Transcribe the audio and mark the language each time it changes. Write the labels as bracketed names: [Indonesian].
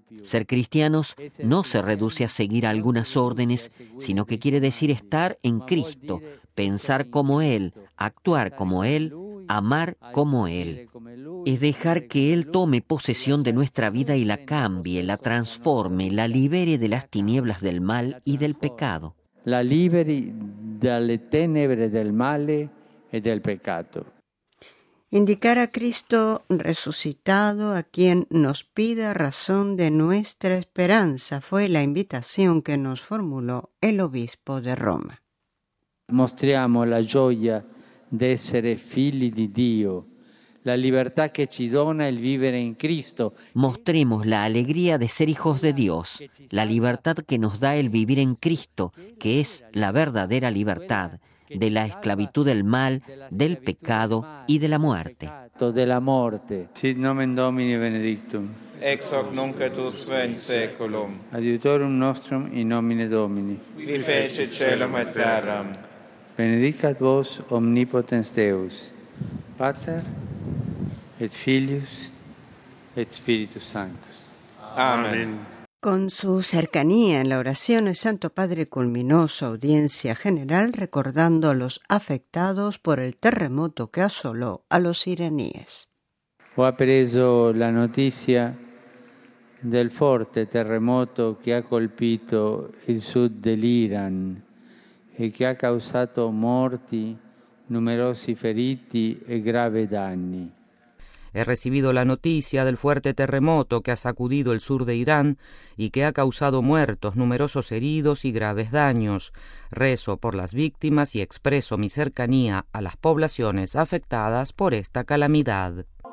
[Spanish] Ser cristianos no se reduce a seguir algunas órdenes, sino que quiere decir estar en Cristo, pensar como Él, actuar como Él, amar como Él. Es dejar que Él tome posesión de nuestra vida y la cambie, la transforme, la libere de las tinieblas del mal y del pecado. [Italian] La liberi dalle tenebre del male e del peccato. [Spanish] Indicar a Cristo resucitado a quien nos pida razón de nuestra esperanza fue la invitación que nos formuló el obispo de Roma. [Italian] Mostriamo la gioia de essere figli di Dio, la libertà che ci dona il vivere in Cristo. [Spanish] Mostremos la alegría de ser hijos de Dios, la libertad que nos da el vivir en Cristo, que es la verdadera libertad de la esclavitud del mal, del pecado y de la muerte. [Italian] De la morte. [Latin] Sit nomen Domini benedictum. Ex hoc nunc et ut in saeculum. Adiutorium nostrum in nomine Domini. Qui fece caelum et terram. Benedicat vos omnipotens Deus, Pater et Filius et Spiritus Sanctus. [Spanish] Amén. Con su cercanía en la oración, el Santo Padre culminó su audiencia general recordando a los afectados por el terremoto que asoló a los iraníes. [Italian] Ho appreso la notizia del forte terremoto che ha colpito il sud dell'Iran e che ha causato morti, numerosi feriti e gravi danni. [Spanish] He recibido la noticia del fuerte terremoto que ha sacudido el sur de Irán y que ha causado muertos, numerosos heridos y graves daños. Rezo por las víctimas y expreso mi cercanía a las poblaciones afectadas por esta calamidad.